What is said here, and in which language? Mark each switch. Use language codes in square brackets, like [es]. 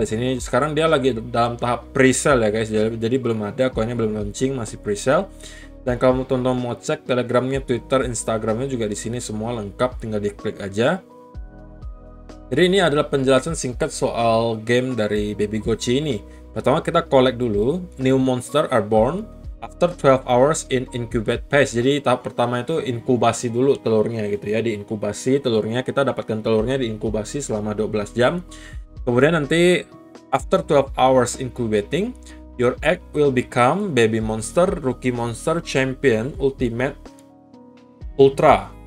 [id] Di sini sekarang dia lagi dalam tahap pre-sale ya guys. Jadi belum ada, koinnya belum launching, masih pre-sale. Dan kalau teman-teman mau cek Telegram-nya, Twitter, Instagram-nya juga di sini semua lengkap, tinggal diklik aja. Jadi ini adalah penjelasan singkat soal game dari Baby Gochi ini. Pertama kita collect dulu, [en] new monster are born after 12 hours in incubate phase. [id] Jadi tahap pertama itu inkubasi dulu telurnya gitu ya, diinkubasi telurnya, kita dapatkan telurnya diinkubasi selama 12 jam. Kemudian nanti [en] after 12 hours incubating, your egg will become baby monster, rookie monster, champion, ultimate, ultra.